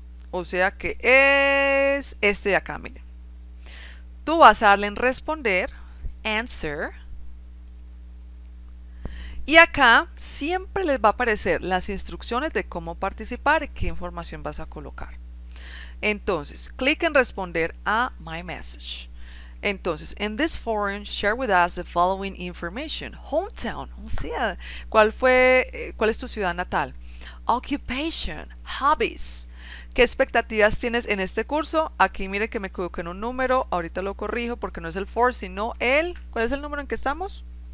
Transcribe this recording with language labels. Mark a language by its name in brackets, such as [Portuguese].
[Spanish] O sea que es este de acá, miren. Tú vas a darle en responder, answer. Y acá siempre les va a aparecer las instrucciones de cómo participar y qué información vas a colocar. Entonces, clic en responder a My Message. Entonces, [English] in this forum, share with us the following information. [Spanish] Hometown, o sea, ¿cuál es tu ciudad natal? [English] Occupation, hobbies. [Spanish] ¿Qué expectativas tienes en este curso? Aquí mire que me equivoqué en un número, ahorita lo corrijo porque no es el for, sino el. ¿Cuál es el número en que estamos?